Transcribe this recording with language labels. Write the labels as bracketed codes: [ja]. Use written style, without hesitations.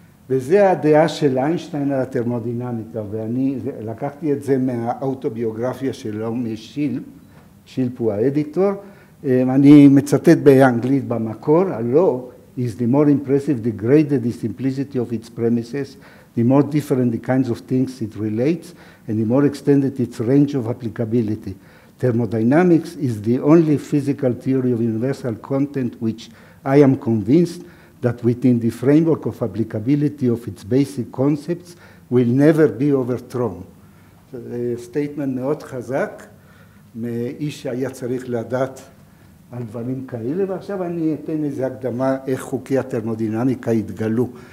[he] וזה הדעה של איינשטיין על התרמודינמיקה, ואני לקחתי את זה מהאוטוביוגרפיה שלו משילפ, שילפ הוא האדיטור, אני מצטט באנגלית במקור, הלא, [en] is the more impressive the greater the simplicity of its premises, the more different the kinds of things it relates, and the more extended its range of applicability. Thermodynamics is the only physical theory of universal content which I am convinced that within the framework of applicability of its basic concepts will never be overthrown. [he] זה סטייטמנט מאוד חזק, מאיש שהיה צריך לדעת על דברים כאלה, ועכשיו אני אתן איזו הקדמה איך חוקי התרמודינמיקה התגלו.